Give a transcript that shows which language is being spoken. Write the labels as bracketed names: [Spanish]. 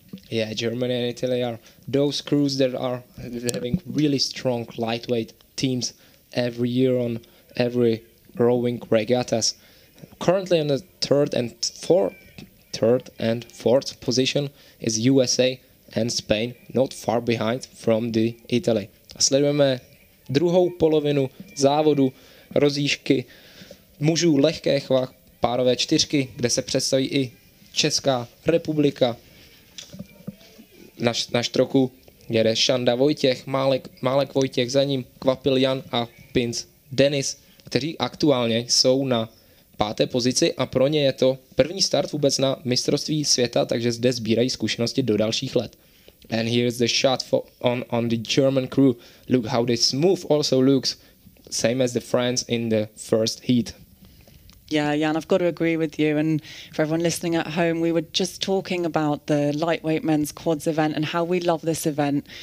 [English] Yeah, Germany and Italy are those crews that are having really strong lightweight teams every year on every rowing regattas. Currently in the third and fourth position is USA and Spain, not far behind from the Italy. [Czech] Sledujeme druhou polovinu závodu rozjížky mužů lehkých vah párové čtyřky, kde se představí i Česká republika. Na štroku jede Šanda Vojtěch, Málek Vojtěch, za ním Kvapil Jan a Pinc Denis, kteří aktuálně jsou na páté pozici a pro ně je to první start vůbec na mistrovství světa, takže zde sbírají zkušenosti do dalších let. [English] And here's the shot on the German crew. Look how this move also looks same as the France in the first heat. Yeah, Jan, I've got to agree with you. And for everyone listening at home, we were just talking about the lightweight men's quads event and how we love this event.